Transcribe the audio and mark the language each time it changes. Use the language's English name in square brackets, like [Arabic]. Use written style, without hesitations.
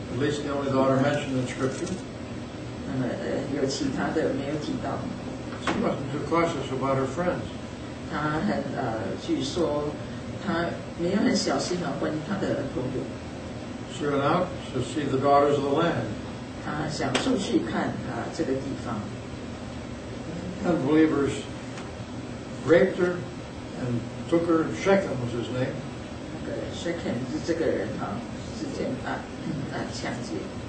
[English] At least the only daughter mentioned in Scripture. [Chinese] 那么有其他的没有提到。 [English] She wasn't too cautious about her friends. [Chinese] 她很，据说她没有很小心地问她的朋友。 [English] She went out to see the daughters of the land. [Chinese] 她想出去看这个地方。 [English] Unbelievers raped her and took her. Shechem was his name. [Chinese] Shechem是这个人，是奸，强奸。